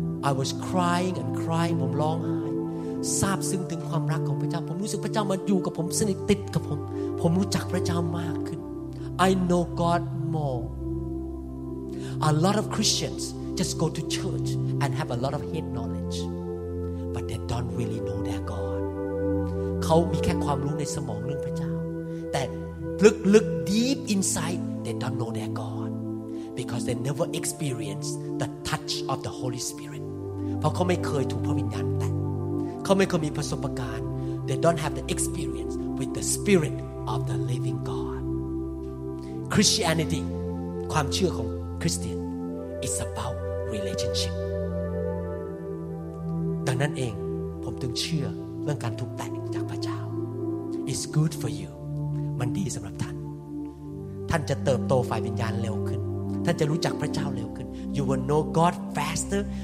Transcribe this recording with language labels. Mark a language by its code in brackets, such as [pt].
[en] I was crying and crying [th] ผมร้องไห้ซาบซึ้งถึงความรักของพระเจ้าผมรู้สึกพระเจ้ามาอยู่กับผมสนิทติดกับผมผมรู้จักพระเจ้ามากขึ้น [en] I know God more A lot of ChristiansJust go to church and have a lot of head knowledge, but they don't really know their God. [th] เขามีแค่ความรู้ในสมองเรื่องพระเจ้าแต่ลึกๆ [en] deep inside they don't know their God. because they never experienced the touch of the Holy Spirit. They don't have the experience with the Spirit of the living God. Christianity, [th] ความเชื่อของ [en] Christian, is about relationship. [th] ดังนั้นเองผมถึงเชื่อเรื่องการถูกแตะจากพระเจ้า [en] It's good for you. [th] มันดีสำหรับท่านท่านจะเติบโตฝ่ายวิญญาณเร็วขึ้นท่านจะรู้จักพระเจ้าเร็วขึ้น [en] You will know God faster.